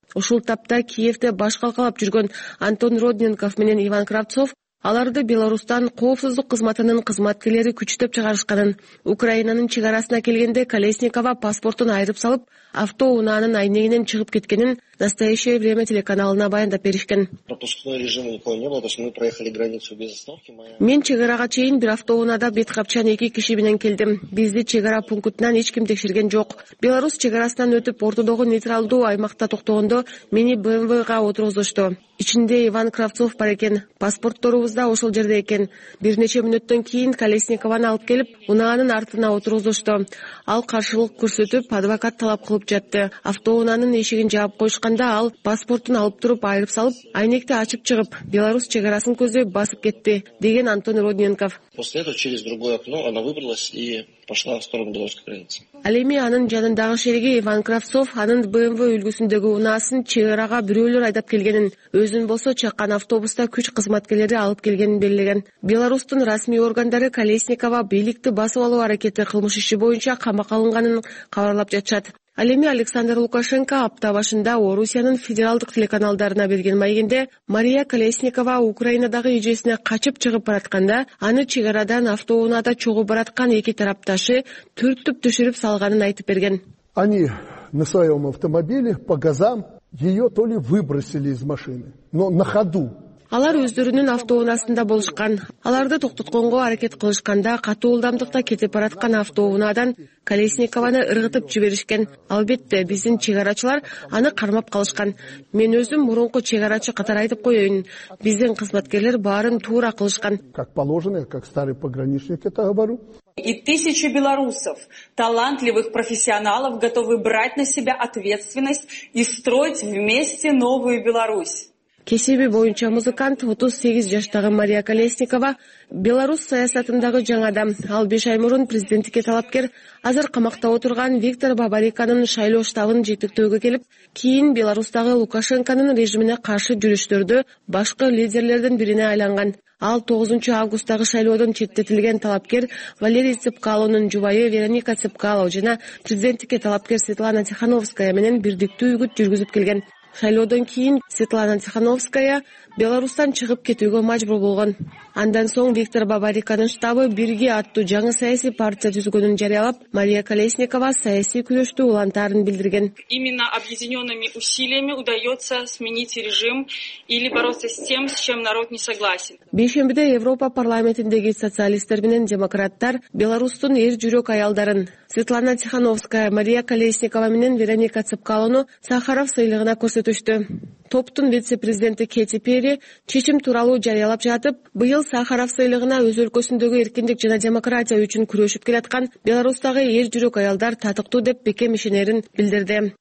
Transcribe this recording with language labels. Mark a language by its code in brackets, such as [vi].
[ky] Ушул тапта Киевде баш калкалап жүргөн Антон Родненков менен Иван Кравцов аларды Беларусьтан коопсуздук кызматынын кызматкерлери күчтөп чыгарышканын, Украинанын чек арасына келгенде Колесникова паспортун айырып салып, автоунаанын айнегинен чыгып кеткенин Настоящее время телеканалына баяндап беришкен. [ru] Пропускной режим никакой не было, то есть мы проехали границу без остановки. [ky] Мен чек арага чейин бир автоунаада беткапчан 2 киши менен келдим. Бизди чек ара пунктунан эч ким текшерген жок. Беларусь чек арасынан өтүп ортодогу нейтралдуу аймакта токтогондо мени БМВга отургузушту. Ичинде Иван Кравцов бар экен. Паспортторубуз да ошол жерде экен. Бир нече мүнөттөн кийин Колесникованы алып келип, унаанын артына отургузушту. Ал каршылык көрсөтүп, адвокат талап кылып жатты. Автоунаанын эшигин жаап коюшту. жатканда ал паспортун алып туруп айырып салып, айнекти ачып чыгып, Беларус чегарасын көздөп басып кетти, деген Антон Родненков. [ru] После этого через другое окно она выбралась и пошла в сторону белорусской границы. [ky] Ал эми анын жанындагы шереги Иван Кравцов анын БМВ үлгүсүндөгү унаасын чыгарага бирөөлөр айдап келгенин, өзүн болсо чаккан автобуста күч кызматкерлери алып келгенин белгилеген. Беларусьтун расмий органдары Колесникова бийликти басып алуу аракети кылмыш иши боюнча камакка алынганын кабарлап жатышат. Ал эми Александр Лукашенко апта башында Орусиянын федералдык телеканалдарына берген маегинде Мария Колесникова Украинадагы эжесине качып чыгып баратканда аны чыгарадан автоунаада чогуу бараткан эки тарапташы түртүп түшүрүп салганын айтып берген. [ru] Они на своем автомобиле по газам ее то ли выбросили из машины, но на ходу. [ky] Алар өздөрүнүн автоунаасында болушкан. Аларды токтотконго аракет кылышканда катуу ылдамдыкта кетип бараткан автоунаадан Колесникованы ыргытып жиберишкен. Албетте, биздин чек арачылар аны кармап калышкан. Мен өзүм мурунку чек арачы катары айтып коеюн. Биздин кызматкерлер баарын туура кылышкан. [ru] Как положено, как старый пограничник это говорю. И тысячи белорусов, талантливых профессионалов, готовы брать на себя ответственность и строить вместе новую Беларусь. [ky] Кесиби боюнча музыкант 38 жаштагы Мария Колесникова Беларусь саясатындагы жаң адам. Ал 5 ай мурун президенттикке талапкер, азыр камакта отурган Виктор Бабариканын шайлоо штабын жетектөөгө келип, кийин Беларусьтагы Лукашенконун режимине каршы жүрүштөрдө башкы лидерлердин бирине айланган. Ал 9 августтагы шайлоодон четтетилген талапкер Валерий Цыпкалонун жубайы Вероника Цыпкало жана президенттикке талапкер Светлана Тихановская менен бирдиктүү үгүт жүргүзүп келген. Шайлоодон кийин Светлана Тихановская Беларусьтан чыгып кетүүгө мажбур болгон. Андан соң Виктор Бабариканын штабы Бирге аттуу жаңы саясий партия түзгөнүн жарыялап, Мария Колесникова саясий күрөштү улантарын билдирген. [ru] Именно объединенными усилиями удается сменить режим или бороться с тем, с чем народ не согласен. [ky] Бишембиде Европа парламентиндеги социалисттер менен демократтар Беларусьтун эр жүрөк аялдарын Светлана Тихановская, Мария Колесникова менен Вероника Цыпкалону Сахаров сыйлыгына көрсөтүштү. Топтун вице-президенти Кэти Перри чечим тууралуу жарыялап жатып, быйыл Сахаров сыйлыгына өз өлкөсүндөгү эркиндик жана демократия үчүн күрөшүп келаткан Беларусьтагы эр жүрөк аялдар татыктуу деп бекем ишенерин билдирди.